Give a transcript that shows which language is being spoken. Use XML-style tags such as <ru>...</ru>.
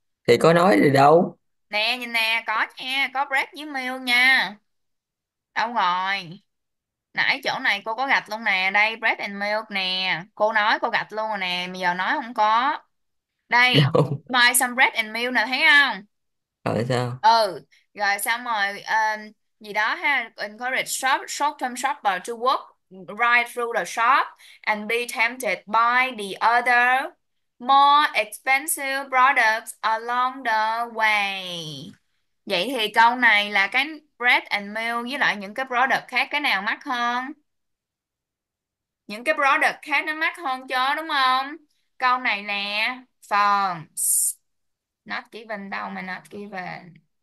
<vi>Thì có nói gì đâu. Nè, nhìn nè, có nha, có bread với milk nha. Đâu rồi? Nãy chỗ này cô có gạch luôn nè, đây</vi> <en>bread and milk</en> <vi>nè. Cô nói cô gạch luôn rồi nè, bây giờ nói không có. Đây. Đâu.</vi> <en>Buy some bread and milk</en> <vi>nè, thấy Ở sao? không? Ừ, Rồi xong rồi gì đó ha,</vi> <en>encourage short term shopper to walk right through the shop and be tempted by the other more expensive products along the way.</en> <vi>Vậy thì câu này là cái bread and milk với lại những cái product khác, cái nào mắc hơn? Những cái product khác nó mắc hơn chứ, đúng không? Câu này nè, phần not given đâu mà not given.</vi>